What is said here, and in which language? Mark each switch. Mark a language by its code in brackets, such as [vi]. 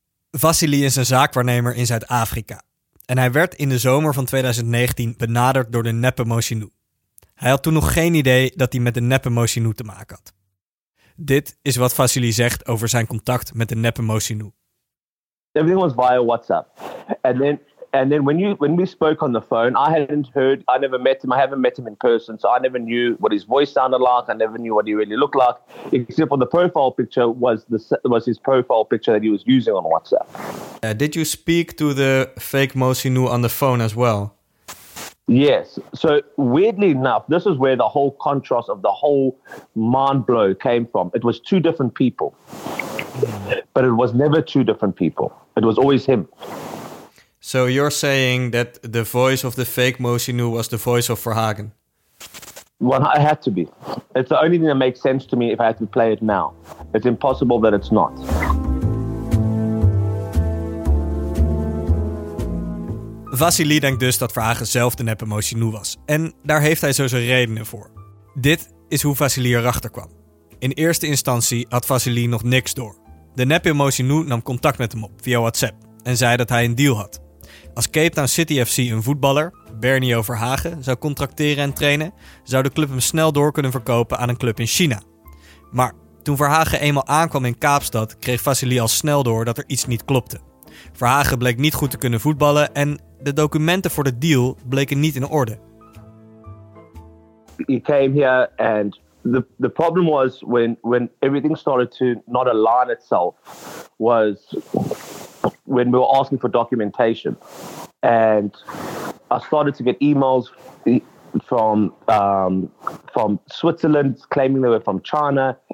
[nl] Vassily is een zaakwaarnemer in Zuid-Afrika. En hij werd in de zomer van 2019 benaderd door de neppe Mohsinou. Hij had toen nog geen idee dat hij met de neppe Mohsinou te maken had. Dit is wat Vassily zegt over zijn contact met de neppe Mohsinou. [en] Everything was via WhatsApp. And then when we spoke on the phone, I hadn't heard, I never met him, I haven't met him in person, so I never knew what his voice sounded like, I never knew what he really looked like, except for the profile picture was his profile picture that he was using on WhatsApp. Did you speak to the fake Mohsinou on the phone as well? Yes. So weirdly enough, this is where the whole contrast of the whole mind blow came from. It was two different people, but it was never two different people. It was always him. So you're saying that the voice of the fake Mohsinou was the voice of Verhagen? Well, I had to be. It's the only thing that makes sense to me if I had to play it now. It's impossible that it's not. [nl] Vassily denkt dus dat Verhagen zelf de neppe Mohsinou was. En daar heeft hij zo zijn redenen voor. Dit is hoe Vassily erachter kwam. In eerste instantie had Vassily nog niks door. De neppe Mohsinou nam contact met hem op via WhatsApp en zei dat hij een deal had. Als Cape Town City FC een voetballer, Bernio Verhagen, zou contracteren en trainen, zou de club hem snel door kunnen verkopen aan een club in China. Maar toen Verhagen eenmaal aankwam in Kaapstad, kreeg Vassily al snel door dat er iets niet klopte. Verhagen bleek niet goed te kunnen voetballen en de documenten voor de deal bleken niet in orde. [en] He came here and the problem was when everything started to not align itself was when we were asking for documentation. And I started to get emails from Switzerland claiming they were from China.